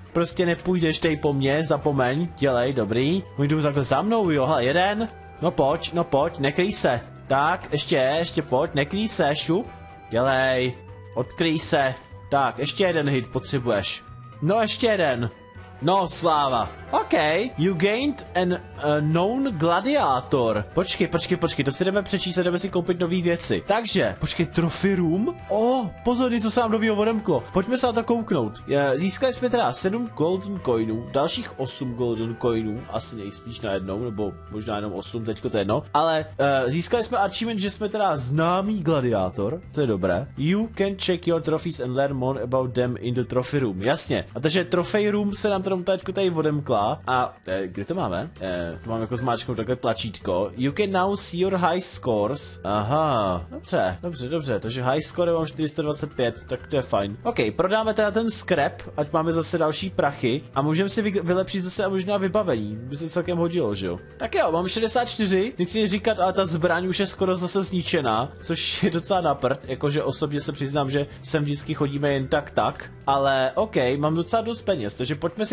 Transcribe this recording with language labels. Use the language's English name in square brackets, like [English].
[Czech] Prostě nepůjdeš tady po mně, zapomeň, dělej, dobrý. Můj jdu takhle za mnou, jo, hele, jeden. No pojď, nekryj se. Tak, ještě pojď, nekryj se, šup. Dělej, odkryj se. Tak, ještě jeden hit potřebuješ. No, ještě jeden. No, sláva. [English] OK, you gained an known gladiator. [Czech] Počkej, to si jdeme přečíst a jdeme si koupit nové věci. Takže, počkej, trophy room? Oh, pozor, něco se nám novýho odemklo. Pojďme se na to kouknout. Získali jsme teda 7 golden coinů, dalších 8 golden coinů, asi nejspíš na jednou, nebo možná jenom 8, teďko to je jedno. Ale získali jsme achievement, že jsme teda známý gladiátor, to je dobré. [English] You can check your trophies and learn more about them in the trophy room. [Czech] Jasně, a takže trophy room se nám teďko tady odemklo. A kde to máme? To mám jako zmáčknout takhle tlačítko. [English] You can now see your high scores. [Czech] Aha, dobře. Takže high score mám 425, tak to je fajn. Ok, prodáme teda ten scrap, ať máme zase další prachy. A můžeme si vylepšit zase a možná vybavení. By se celkem hodilo, že jo? Tak jo, mám 64, nic si říkat, ale ta zbraň už je skoro zase zničená. Což je docela na prd, jakože osobně se přiznám, že sem vždycky chodíme jen tak. Ale ok, mám docela dost peněz, takže pojďme si